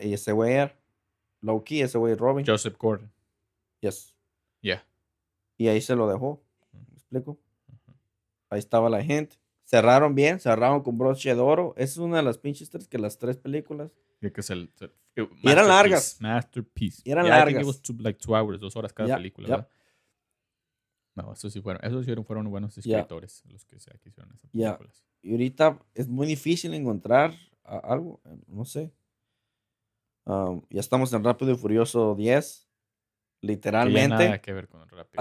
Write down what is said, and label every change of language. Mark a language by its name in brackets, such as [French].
[Spanish] Y ese güey era low-key, ese güey Robin. [English] Joseph Gordon. Yes. Yeah. [Spanish] Y ahí se lo dejó. ¿Me explico? Uh-huh. Ahí estaba la hint. Cerraron bien, cerraron con broche de oro. Esa es una de las pinches tres, que las tres películas. Yeah, que es el y eran largas. [English] Masterpiece. [Spanish] Y eran largas. [English] I think it was two hours, [Spanish] 2 horas cada película, [English] yep. [Spanish] ¿Verdad? No, esos fueron buenos escritores, yeah, los que se hicieron esas películas. Yeah. Y ahorita es muy difícil encontrar algo, no sé. Ya estamos en Rápido y Furioso 10, literalmente. Que nada que ver con Rápido.